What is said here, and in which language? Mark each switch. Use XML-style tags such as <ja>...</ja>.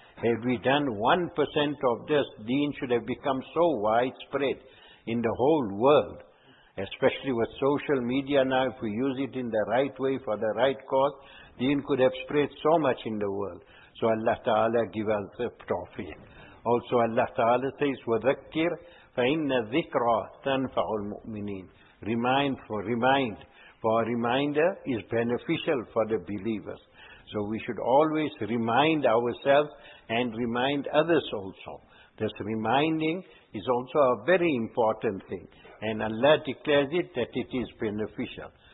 <en>Had we done 1% of this, deen should have become so widespread in the whole world. Especially with social media now, if we use it in the right way for the right cause, deen could have spread so much in the world. So Allah Ta'ala give us the tawfiq. Also Allah Ta'ala says,</en> <ar>وَذَكِّرْ فَإِنَّ ذِكْرَى تَنْفَعُ الْمُؤْمِنِينَ.</ar> <en>Remind, for a reminder is beneficial for the believers. So we should always remind ourselves and remind others also Just reminding is also a very important thing. And Allah declares it that it is beneficial.</en>